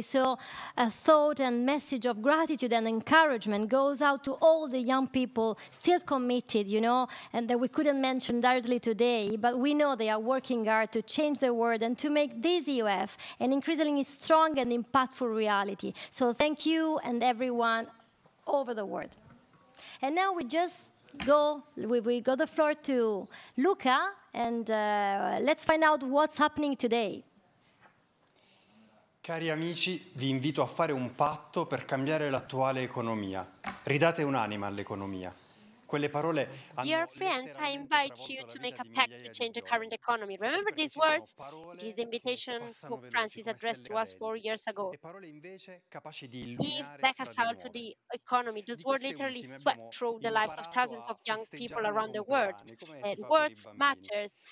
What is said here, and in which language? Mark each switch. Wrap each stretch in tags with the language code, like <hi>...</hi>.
<en>So a thought and message of gratitude and encouragement goes out to all the young people still committed, you know, and that we couldn't mention directly today, but we know they are working hard to change the world and to make this EoF an increasingly strong and impactful reality. So thank you and everyone over the world. And now we just go, we go the floor to Luca, and let's find out what's happening today.</en> <it>Cari amici, vi invito a fare un patto per cambiare l'attuale economia. Ridate un'anima all'economia. Quelle parole hanno</it> <en>Dear friends, I invite you to make a pact to change the current economy. Remember these words? This invitation Pope Francis addressed to us 4 years ago. Give back a salt to the economy. Those words literally swept through the lives of thousands of young people around the world. Words matter.</en>